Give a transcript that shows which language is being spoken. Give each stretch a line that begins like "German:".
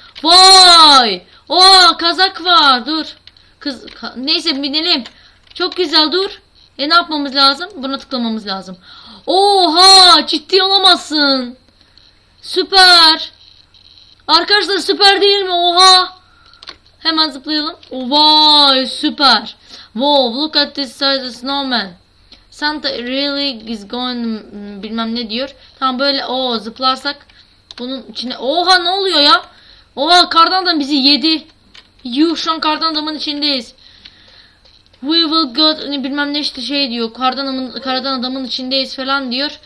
Turkish: Vay! Oo kazak var. Dur. Kız neyse binelim. Çok güzel dur. Ne yapmamız lazım? Buna tıklamamız lazım. Oha! Ciddi olamazsın. Süper. Arkadaşlar süper değil mi? Oha! Hemen zıplayalım. Vay süper.
English: Wow look at this size snowman. Santa really is going
Turkish: bilmem ne diyor. Tam böyle o zıplarsak bunun içine. Oha ne oluyor ya? Oha kardan adam bizi yedi. Yuh şu an kardan adamın içindeyiz.
English: We will go
Turkish: bilmem ne işte şey diyor. Kardan adamın içindeyiz falan diyor.